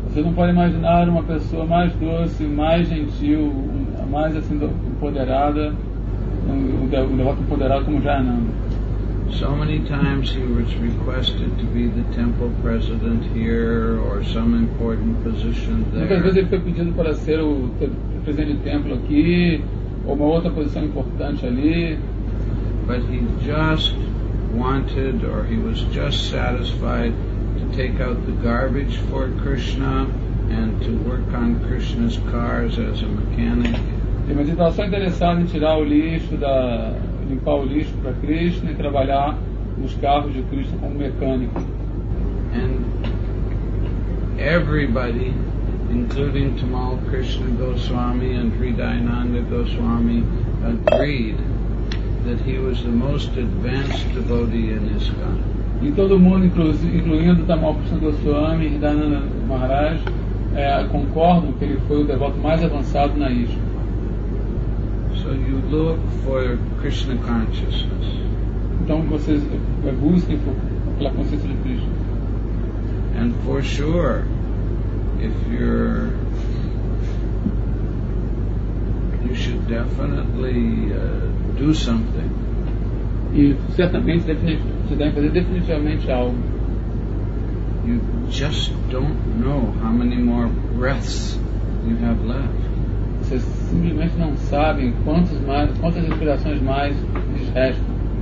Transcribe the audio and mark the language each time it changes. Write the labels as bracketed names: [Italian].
[Portuguese] Você não pode imaginar uma pessoa mais doce, mais gentil, mais assim empoderada, um devoto empoderado como Jayananda. [English] So many times he was requested to be the temple president here or some important position there. [Portuguese] Muitas vezes ele foi pedido para ser o presidente do templo aqui ou uma outra posição importante ali. [English] But he just wanted, or he was just satisfied, to take out the garbage for Krishna and to work on Krishna's cars as a mechanic. [Portuguese] Ele estava só interessado em tirar o lixo da limpar o lixo para Krishna e trabalhar nos carros de Krishna como mecânico. [English] And everybody, including Tamal Krishna Goswami and Sri Dayananda Goswami, agreed that he was the most advanced devotee in ISKCON. [Portuguese] E todo mundo, incluindo Tamal Krishna Goswami e Dayananda Maharaj, concordam que ele foi o devoto mais avançado na ISKCON. [English] So you look for Krishna consciousness. [Portuguese] Então vocês buscam pela consciência de Krishna. [English] And for sure, if you're, you should definitely do something. [Portuguese] E certamente você deve fazer definitivamente algo. [English] You just don't know how many more breaths you have left. [Portuguese] Vocês simplesmente não sabem quantas respirações mais lhes restam.